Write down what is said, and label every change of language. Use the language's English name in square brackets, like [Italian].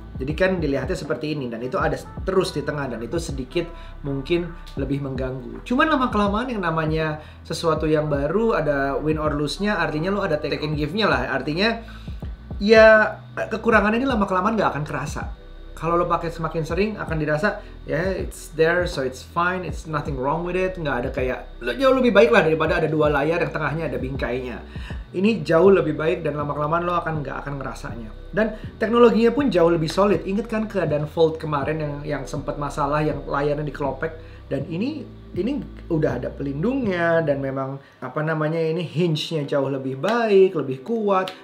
[Indonesian] Jadi kan dilihatnya seperti ini, dan itu ada terus di tengah, dan itu sedikit mungkin lebih mengganggu. Cuman lama-kelamaan yang namanya sesuatu yang baru, ada [English] win or lose- [Indonesian] nya, artinya lo ada [English] take and give- [Indonesian] nya lah. Artinya, ya kekurangan ini lama-kelamaan nggak akan kerasa. Kalau lo pakai semakin sering, akan dirasa, ya [English] yeah, it's there, so it's fine, it's nothing wrong with it. [Indonesian] Nggak ada kayak, lo jauh lebih baik lah daripada ada dua layar yang tengahnya ada bingkainya. Ini jauh lebih baik dan lama-kelamaan lo akan nggak akan ngerasanya. Dan teknologinya pun jauh lebih solid. Ingat kan keadaan Fold kemarin yang sempat masalah yang layarnya dikelopek. Dan ini udah ada pelindungnya dan memang apa namanya ini hinge-nya jauh lebih baik, lebih kuat.